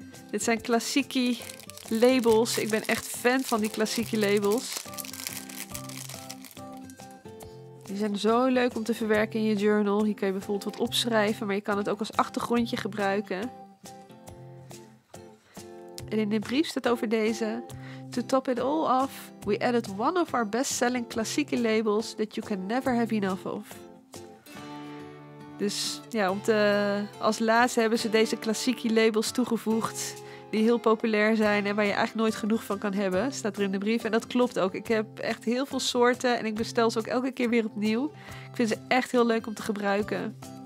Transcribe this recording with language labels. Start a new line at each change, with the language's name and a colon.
Dutch: Dit zijn klassieke labels. Ik ben echt fan van die klassieke labels. Die zijn zo leuk om te verwerken in je journal. Hier kun je bijvoorbeeld wat opschrijven, maar je kan het ook als achtergrondje gebruiken. En in de brief staat over deze:
English: To top it all off, we added one of our best-selling klassieke labels that you can never have enough of.
Dutch: Dus ja, als laatste hebben ze deze klassieke labels toegevoegd die heel populair zijn en waar je eigenlijk nooit genoeg van kan hebben, staat er in de brief. En dat klopt ook. Ik heb echt heel veel soorten en ik bestel ze ook elke keer weer opnieuw. Ik vind ze echt heel leuk om te gebruiken.